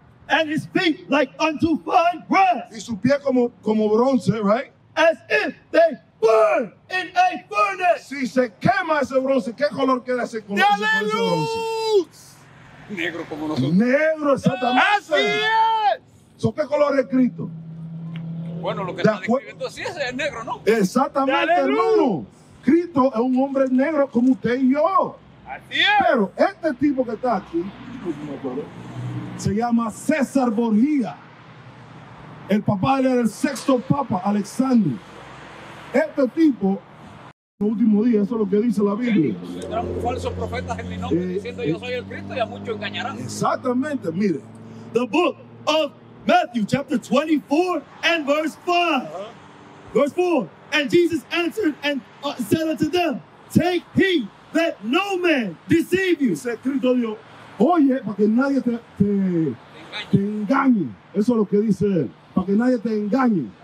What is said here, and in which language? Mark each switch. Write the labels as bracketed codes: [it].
[en] And his feet like unto fine brass. [es] Y su pie como bronce, ¿vale? [en] As if they burn in a furnace. [es] Si se quema ese bronce, ¿qué color queda ese color? ¡Aleluya! Negro como nosotros. Negro, exactamente. ¡Así es! ¿So qué color es Cristo? Bueno, lo que está describiendo así es el negro, ¿no? Exactamente, hermano. Cristo es un hombre negro como usted y yo. ¡Así es! Pero este tipo que está aquí, se llama César Borgia. El papá era el sexto papa, Alexander. Este tipo... El último día, eso es lo que dice la Biblia. Vendrán falsos profetas en mi nombre diciendo yo soy el Cristo y a muchos engañarán. Exactamente, mire. [en] The book of Matthew, chapter 24 and verse 5. Uh-huh. Verse 4. And Jesus answered and said unto them, take heed that no man deceive you. [es] Dice Cristo dijo, oye, para que nadie te engañe. Eso es lo que dice él. Para que nadie te engañe.